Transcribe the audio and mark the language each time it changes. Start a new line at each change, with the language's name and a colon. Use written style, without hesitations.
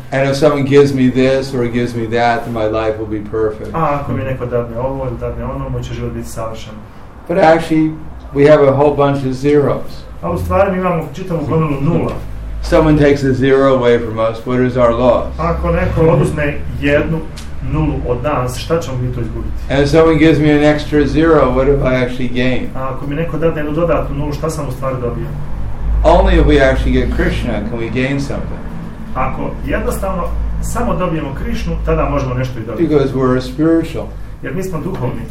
English: And if someone gives me this or gives me that, then my life will be perfect.
Bosnian: A ako mi neko dadne ovo ili dadne ono, moj će život biti savršen.
English: But actually, we have a whole bunch of zeros.
Bosnian: A u stvari mi imamo čitavu gomilu nula.
English: Someone takes a zero away from us, what is our loss?
Bosnian: Ako neko oduzme jednu nulu od nas, šta ćemo mi to izgubiti?
English: And if someone gives me an extra zero, what have I actually gained?
Bosnian: Ako mi neko dadne jednu dodatnu nulu, šta sam u stvari dobio?
English: Only if we actually get Krishna can we gain something.
Bosnian: Ako jednostavno samo dobijemo Krishnu, tada možemo nešto i dobiti.
English: Because we're spiritual.
Bosnian: Jer mi smo duhovni.